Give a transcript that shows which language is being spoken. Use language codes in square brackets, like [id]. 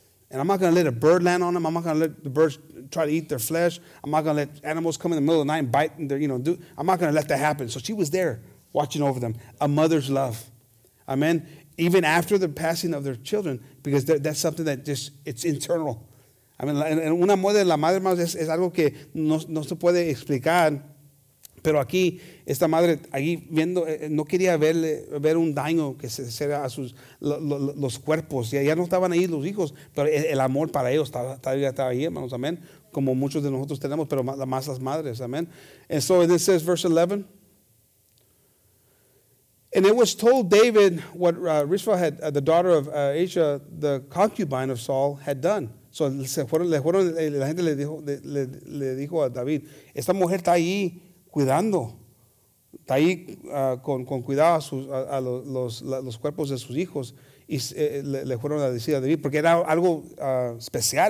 [en] And I'm not going to let a bird land on them. I'm not going to let the birds try to eat their flesh. I'm not going to let animals come in the middle of the night and bite. I'm not going to let that happen. So she was there watching over them. A mother's love. Amen. Even after the passing of their children, because that's something that just, it's internal. I mean, [es] una muerte de la madre, hermanos, es algo que no se puede explicar. Pero aquí, esta madre, ahí viendo, no quería ver un daño que se hiciera a sus los cuerpos. Ya no estaban ahí los hijos, pero el amor para ellos estaba ahí, hermanos, amén. Como muchos de nosotros tenemos, pero más las madres, amén. [en] And so, and this says, verse 11. And it was told David what Rishpa, had, the daughter of Asa, the concubine of Saul, had done. [es] So la gente le dijo a David, esta mujer está ahí cuidando, está ahí con cuidado a los cuerpos de sus hijos. Y le fueron a decir a David, porque era algo especial.